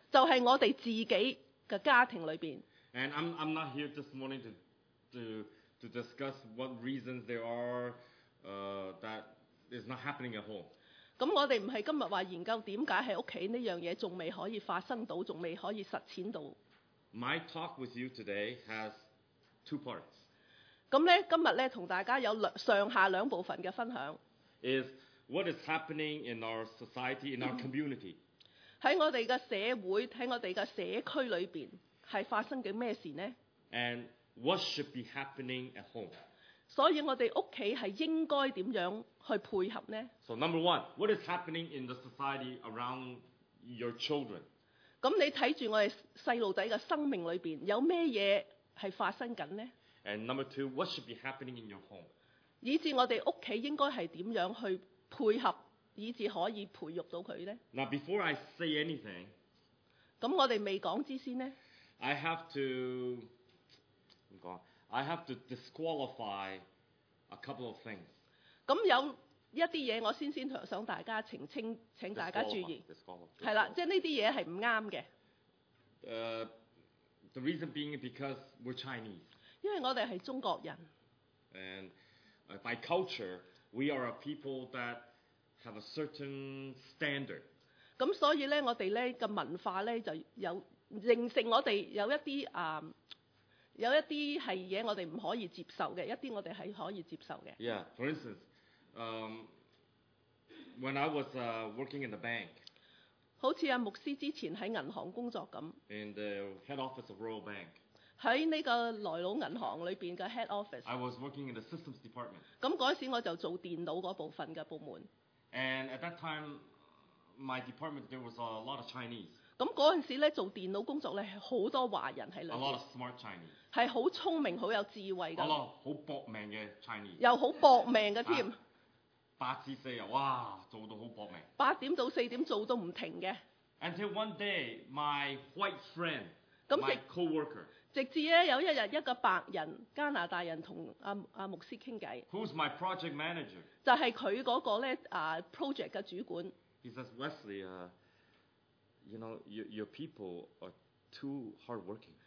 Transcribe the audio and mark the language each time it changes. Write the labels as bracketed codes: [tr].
[yue] 就係我哋自己嘅家庭裏邊。 [en] And I'm not here this morning to discuss what reasons there are that is not happening at home. [yue] 咁我哋唔係今日話研究點解喺屋企呢樣嘢仲未可以發生到，仲未可以實踐到。 [en] My talk with you today has two parts. [yue] 咁咧，今日咧同大家有上下兩部分嘅分享。 [en] Is what is happening in our society, in our community? [yue] 喺我哋嘅社會，喺我哋嘅社區裏邊係發生緊咩事呢 [en] ？And what should be happening at home? [yue] 所以我哋屋企係應該點樣去配合呢 [en] ？So number one, what is happening in the society around your children? [yue] 咁你睇住我哋細路仔嘅生命裏邊有咩嘢係發生緊呢 [en] ？And number two, what should be happening in your home? [yue] 以至我哋屋企應該係點樣去配合，以至可以培育到佢呢 [en] ？Now before I say anything, [yue] 咁我哋未講之先呢 [en] ？I have to. I have to disqualify a couple of things. [yue] 咁有一啲嘢我先想大家澄清，請大家注意。係啦，即係呢啲嘢係唔啱嘅。 [en] The reason being because we're Chinese. [yue] 因為我哋係中國人。 [en] And by culture, we are a people that have a certain standard. [yue] 咁所以咧，我哋咧嘅文化咧就有形成我哋有一啲有一啲係嘢我哋唔可以接受嘅，一啲我哋係可以接受嘅。 [en] Yeah, for instance, when I was working in the bank, [yue] 好似阿牧師之前喺銀行工作咁。 [en] In the head office of Royal Bank. [yue] 喺呢個萊老銀行裏邊嘅 [en] head office. I was working in the systems department. [yue] 咁嗰時我就做電腦嗰部分嘅部門。 [en] And at that time, my department there was a lot of Chinese. [yue] 咁嗰陣時咧做電腦工作咧係好多華人喺裏邊 [en] ，a lot of smart Chinese， [yue] 係好聰明、好有智慧嘅 ， [en] a lot [yue] 好搏命嘅 Chinese，又好搏命嘅添。八至四啊，哇，做到好搏命。八點到四點做都唔停嘅。 [en] Until one day, my white friend, my coworker， [yue] 直至咧有一日一個白人加拿大人同阿牧師傾偈 [en] ，Who's my project manager？ [yue] 就係佢嗰個咧project 嘅主管。 [en] He says Wesley You know, your people are too hardworking.